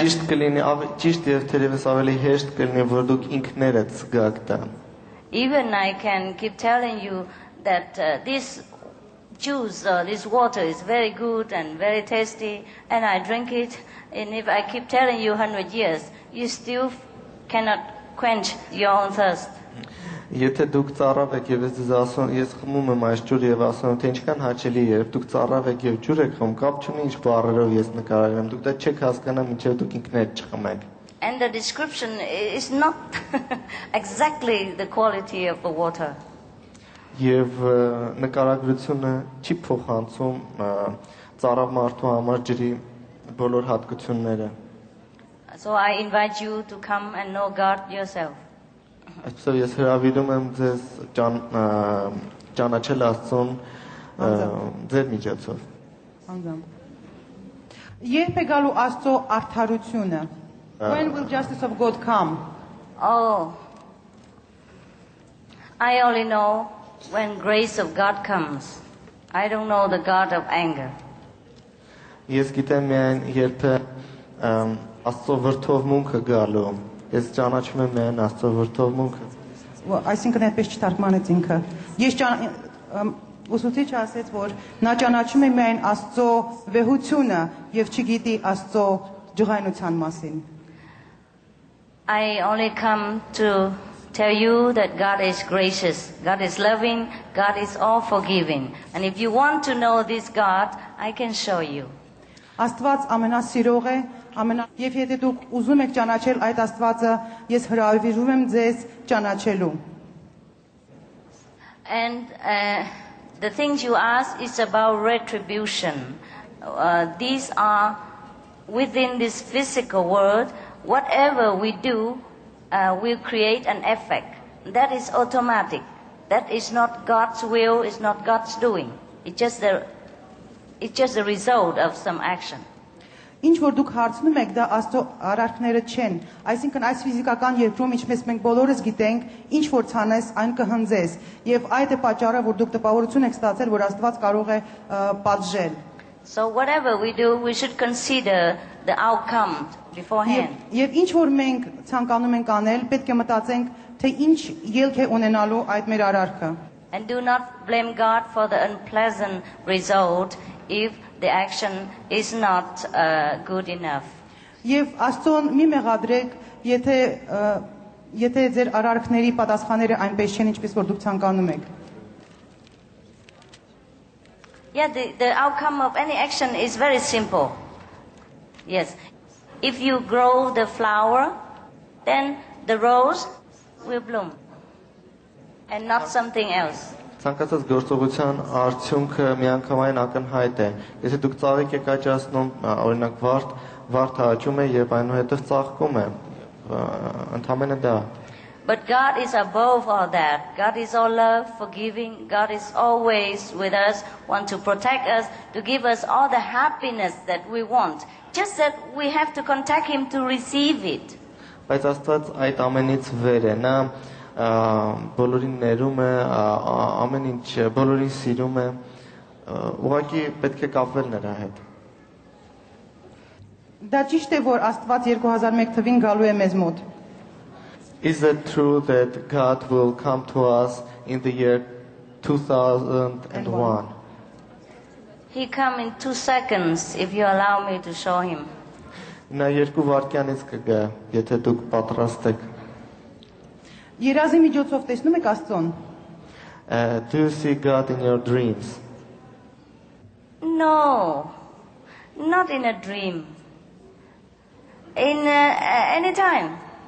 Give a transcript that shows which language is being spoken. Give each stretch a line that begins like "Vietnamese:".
Armenian: Ճիշտ կլինի, ճիշտ եւ թերևս ավելի հեշտ կլինի, որ դուք ինքներդ զգաք դա.
English: Even I can keep telling you that this juice, this water is very good and very tasty, and I drink it. And if I keep telling you 100 years, you still cannot quench your own thirst.
Armenian: Եթե դուք ծառավ եք եւ ես ասում ես խմում եմ այս ջուրը եւ ասում եմ թե ինչքան հաճելի է, դուք ծառավ եք եւ ջուր եք խմում, կապ չունի ինչ բառերով ես նկարագրեմ, դուք դա չեք հասկանա մինչեւ դուք ինքներդ չխմեք։
English: And the description is not exactly the quality of the water.
Armenian: Եվ նկարագրությունը չի փոխանցում ծառավ մարդու համար ջրի բոլոր հատկությունները։
English: So I invite you to come and know God yourself.
Armenian: Այսօր ես հրավիրում եմ ձեզ ճանաչել Աստծուն ձեր միջոցով։ Անգամ։ Երբ է գալու Աստծո արդարությունը։ When will justice of God come?
English: Oh. I only know when grace of God comes. I don't know the God of anger.
Armenian: Ես գիտեմ, երբ Աստծո վրդովմունքը գալու։ Ես ճանաչում եմ այն Աստծո վրդովմունքը։ Well, այսինքն այնպես չթարգմանեց ինքը։ Ես ուսուցիչը ասեց, որ նա ճանաչում է միայն Աստծո վեհությունը եւ չգիտի Աստծո ջղայնության մասին։
English: I only come to tell you that God is gracious, God is loving, God is all forgiving. And if you want to know this God, I can show you.
Armenian: Աստված ամենասիրող է, ամենա եւ եթե դուք ուզում եք ճանաչել այդ Աստվածը, ես հրավիրում եմ ձեզ ճանաչելու։
English: And the things you ask is about retribution. These are within this physical world. Whatever we do will create an effect. That is automatic. That is not God's will, it's not God's doing. It's just the result of some action.
Armenian: Ինչ որ դուք հարցնում եք, դա աստո արարքները չեն։ Այսինքն այս ֆիզիկական երկրում, ինչպես մենք բոլորս գիտենք, ինչ որ ցանես, այն կհնձես, եւ այդ է պատճառը, որ դուք տպավորություն եք ստացել, որ Աստված կարող է պատժել։
English: So whatever we do, we should consider the outcome beforehand.
Armenian: Եվ ինչ որ մենք ցանկանում ենք անել, պետք է մտածենք, թե ինչ ելք է ունենալու այդ մեր արարքը։
English: And do not blame God for the unpleasant result if the action is not good enough.
Armenian: Եվ Աստծուն մի մեղադրեք, եթե ձեր արարքների պատասխանները այնպես չեն, ինչպես որ դուք ցանկանում եք։
English: Yeah, the outcome of any action is very simple. Yes. If you grow the flower, then the rose will bloom and not something else.
Armenian: Ցանկացած գործողության արդյունքը միանգամայն ակնհայտ է։ Եթե դուք ծաղիկ եք աճացնում, օրինակ վարդ աճում է եւ այնուհետեւ ծաղկում է, ընդամենը դա։
English: But God is above all that. God is all love, forgiving. God is always with us, want to protect us, to give us all the happiness that we want. Just that we have to contact Him to receive it.
Armenian: Բայց Աստված այդ ամենից վեր է, նա բոլորին ներում է, ամեն ինչ բոլորին սիրում է, ուղղակի պետք է կապվել նրա հետ։ Դա ճիշտ է, որ Աստված 2001 թվին գալու է մեզ մոտ։
English: Is it true that God will come to us in the year 2001? He come in 2 seconds if you allow me to show him.
Armenian: Նա երկու վայրկյանից կգա, եթե դուք պատրաստ եք։ Երազի միջոցով տեսնում եք Աստծուն։
English: Do you see God in your dreams? No. Not in a dream. In any time.